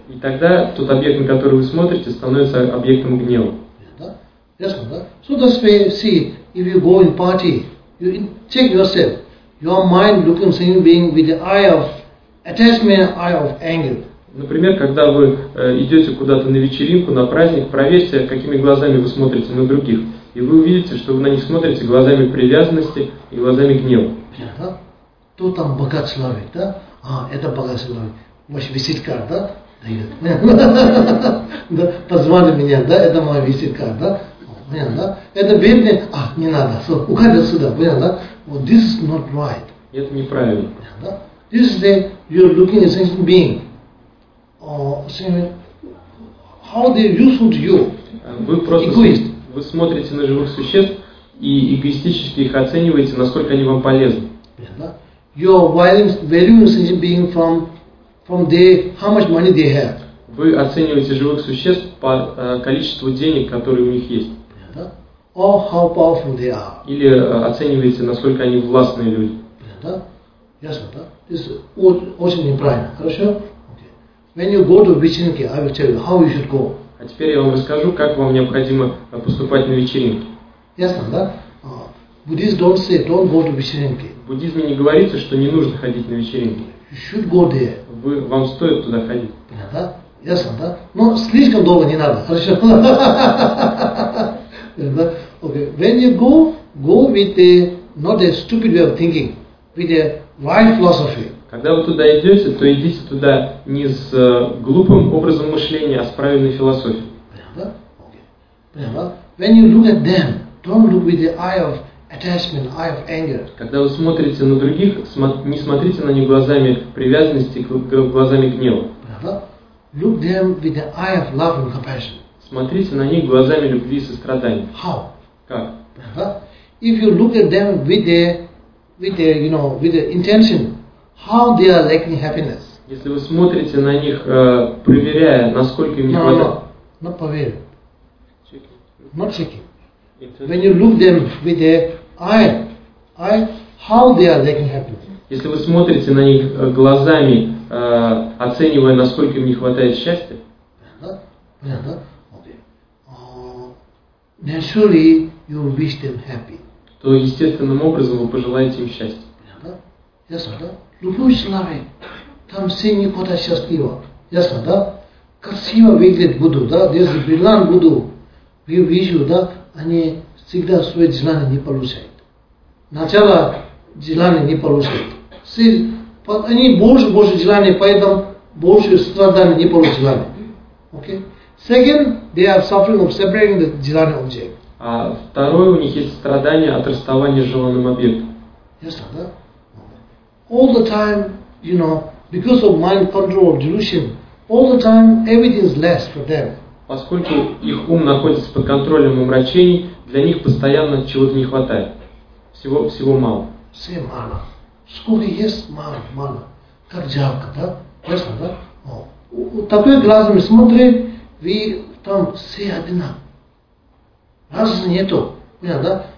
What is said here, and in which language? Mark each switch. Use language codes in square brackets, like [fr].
[ru] И тогда тот объект, на который вы смотрите, становится объектом гнева. Ясно, да? [en] So that's why, see, if you go in party, you check yourself. Your mind looking at the being with the eye of attachment, eye of anger. [ru] Например, когда вы идете куда-то на вечеринку, на праздник, проверьте, какими глазами вы смотрите на других. И вы увидите, что вы на них смотрите глазами привязанности и глазами гнева. Понятно? Кто там богат славит, да? А, это богат славит. Ваша визитка, да? Да, позвали меня, да? Это моя визитка, да? Понятно, да? Это бедный, а, не надо, все, уходи отсюда, понятно, да? [en] Well, this is not right. [ru] Это неправильно. Понятно, да? [en] This is the, you're looking at a sentient being. How they're useful to you? [ru] Вы просто [en] egoist. [ru] Вы смотрите на живых существ и эгоистически их оцениваете, насколько они вам полезны. Понятно, да? [en] You're valuing a sentient being from the, how much money they have. [ru] Вы оцениваете живых существ по количеству денег, которые у них есть. [en] Or how powerful they are. [ru] Или оцениваете, насколько они властные люди. Понятно? Ясно, да? This очень неправильно. Хорошо? Okay. [en] When you go to вечеринки, I will tell you how you should go. [ru] А теперь я вам расскажу, как вам необходимо поступать на вечеринке. Ясно, да? [en] Buddhists don't say don't go to вечеринки. [ru] В буддизме не говорится, что не нужно ходить на вечеринки. [en] You should go there. [ru] Вам стоит туда ходить. Понятно? Ясно, да? Но слишком долго не надо. Хорошо? Okay. [en] When you go with the not a stupid way of thinking, with a right philosophy. [ru] Когда вы туда идете, то идите туда не с глупым образом мышления, а с правильной философией. Понятно? Okay. Понятно? [en] When you look at them, don't look with the eye of attachment, eye of anger. [ru] Когда вы смотрите на других, не смотрите на них глазами привязанности, глазами гнева. Понятно? [en] Look them with the eye of love and compassion. [ru] Смотрите на них глазами любви и сострадания. [en] How? [ru] Как? [en] If you look at them with a, you know, with the intention, how they are lacking happiness. [ru] Если вы смотрите на них, проверяя, насколько им не хватает. [en] Not поверь. Not checking. When you look them with their eye, how they are lacking happiness. [ru] Если вы смотрите на них глазами, оценивая, насколько им не хватает счастья. Понятно? Понятно? [en] Okay. Naturally, you wish them happy. [ru] То естественным образом вы пожелаете им счастья. Ясно, да? Любой человек, там все не хватает счастлива. Ясно, да? Красиво выглядит Будду, да? Если бриллиант Будду, вижу, да? Они всегда свои желания не получают. Начало желания не получают. Все, они больше желания, поэтому больше страдания не получают. [en] Okay? Second, they are suffering of separating the desired object. [ru] А второе, у них есть страдание от расставания с желанным объектом. Ясно, да? [en] All the time, you know, because of mind control, delusion, all the time everything is less for them. [ru] Поскольку их ум находится под контролем умрачений, для них постоянно чего-то не хватает. Всего мало. Все мало. Сколько есть мало. Как жалко, да? Ясно, да? Такой глазами смотрим, вы там все одна. Разницы нету. Понятно, да?